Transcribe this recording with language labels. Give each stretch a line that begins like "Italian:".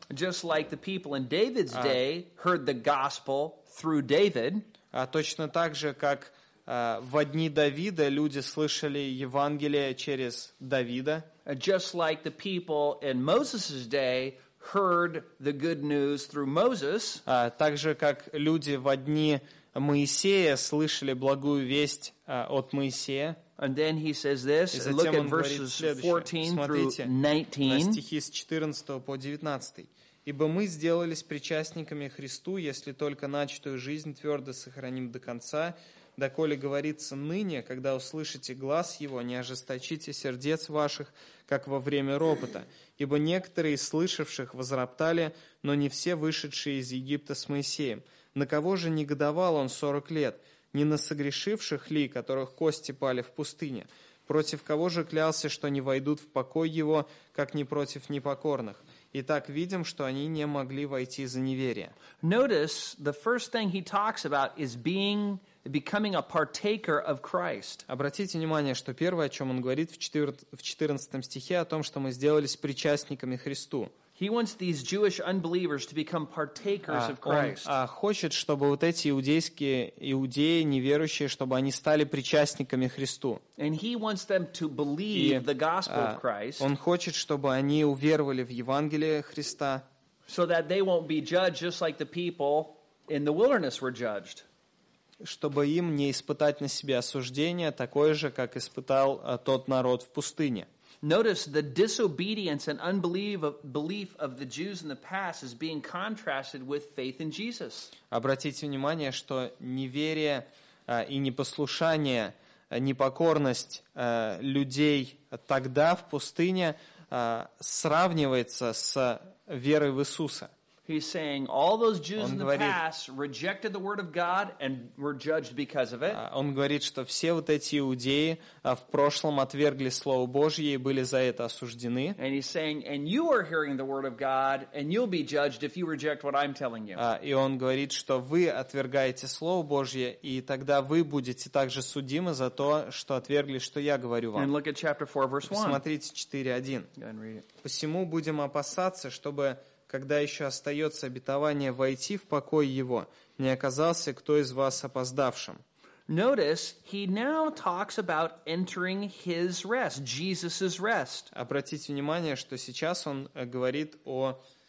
English: Just like the people in David's day heard the gospel through David.
Russian: Точно так же, как во дни Давида люди слышали Евангелие через Давида.
English: Just like the people in Moses' day heard the good news through Moses.
Russian: Так же, как люди во дни Моисея слышали благую весть от Моисея.
English: And then he says this, look at verses 14
Russian: Смотрите,
English: through 19.
Russian: На стихи с 14 по 19. «Ибо мы сделались причастниками Христу, если только начатую жизнь твердо сохраним до конца, доколе говорится ныне, когда услышите глас Его, не ожесточите сердец ваших, как во время ропота. Ибо некоторые из слышавших возроптали, но не все вышедшие из Египта с Моисеем. На кого же негодовал он 40 лет? Не на согрешивших ли, которых кости пали в пустыне? Против кого же клялся, что не войдут в покой его, как не против непокорных? Итак, видим, что они не могли войти за неверие».
English: Notice, the first thing he talks about is becoming a partaker of Christ.
Russian: Обратите внимание, что первое, о чем он говорит в 14 стихе, о том, что мы сделались причастниками Христу.
English: He wants these Jewish unbelievers to become partakers of Christ.
Russian: Он хочет, чтобы вот эти иудейские иудеи, неверующие, чтобы они стали причастниками Христу.
English: And he wants them to believe the gospel of Christ.
Russian: Он хочет, чтобы они уверовали в Евангелие Христа.
English: So that they won't be judged just like the people in the wilderness were judged.
Russian: Чтобы им не испытать на себе осуждение такое же, как испытал тот народ в пустыне.
English: Notice the disobedience and unbelief of the Jews in the past is being contrasted with faith in Jesus.
Russian: Обратите внимание, что неверие и непослушание, непокорность людей тогда в пустыне сравнивается с верой в Иисуса.
English: He's saying all those Jews in the past rejected the word of God and were judged because of it.
Russian: Он говорит, что все вот эти иудеи в прошлом отвергли слово Божье и были за это осуждены.
English: And he's saying, and you are hearing the word of God, and you'll be judged if you reject what I'm telling you.
Russian: И он говорит, что вы отвергаете слово Божье, и тогда вы будете также судимы за то, что отвергли, что я говорю вам.
English: And look at chapter 4, verse 1.
Russian: Посмотрите 4:1.
English: Go and read it.
Russian: Посему будем опасаться, чтобы когда еще остается обетование войти в покой его, не оказался кто из вас опоздавшим.
English: Notice, he now talks about entering his rest, Jesus's rest.
Russian: Обратите внимание, что сейчас он говорит о